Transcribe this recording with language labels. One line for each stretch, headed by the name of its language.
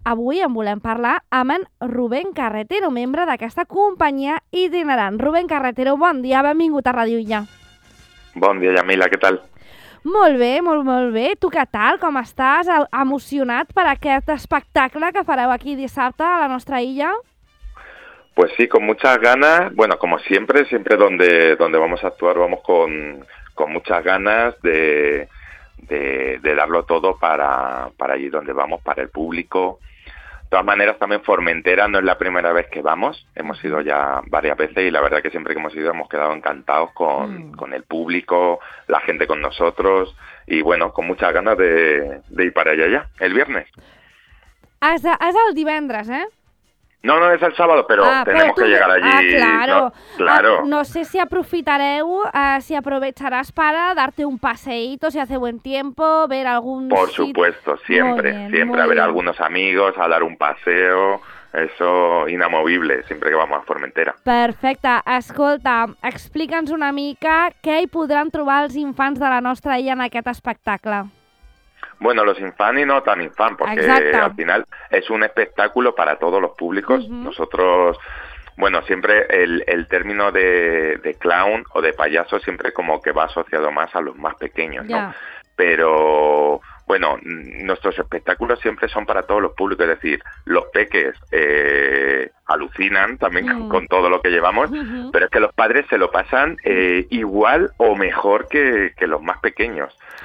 Catalan: Avui en volem parlar amb en Rubén Carretero, membre d'aquesta companyia itinerant. Rubén Carretero, bon dia, benvingut a Ràdio Illa. Bon dia, Yamila, què tal? Molt bé, molt, molt bé. Tu què tal? Com estàs? Emocionat per aquest espectacle que fareu aquí dissabte a la nostra illa?
Spanish: Pues sí, con muchas ganas. Bueno, como siempre, siempre donde vamos a actuar, vamos con muchas ganas de darlo todo para allí donde vamos, para el público. De todas maneras, también Formentera no es la primera vez que vamos. Hemos ido ya varias veces y la verdad que siempre que hemos ido hemos quedado encantados con el público, la gente con nosotros y, bueno, con muchas ganas de ir para allá ya, el viernes. Es el divendres, ¿eh? No, no, és el sábado, però tenemos que llegar allí. Claro. No sé
Catalan: si aprofitareu,
Spanish: si aprovecharás para darte un paseíto, si hace buen tiempo, ver algún... Por supuesto, siempre a ver a algunos amigos, a dar un paseo, eso inamovible, siempre que vamos a Formentera.
Catalan: Perfecte. Escolta, explica'ns una mica què hi podran trobar els infants de la nostra illa en aquest espectacle.
Spanish: Bueno, los infants y no tan infants, porque al final es un espectáculo para todos los públicos. Uh-huh. Nosotros, bueno, siempre el término de clown o de payaso siempre como que va asociado más a los más pequeños, ¿no? Yeah. Pero, bueno, nuestros espectáculos siempre son para todos los públicos, es decir, los peques alucinan también con todo lo que llevamos, pero es que los padres se lo pasan igual o mejor que los más pequeños.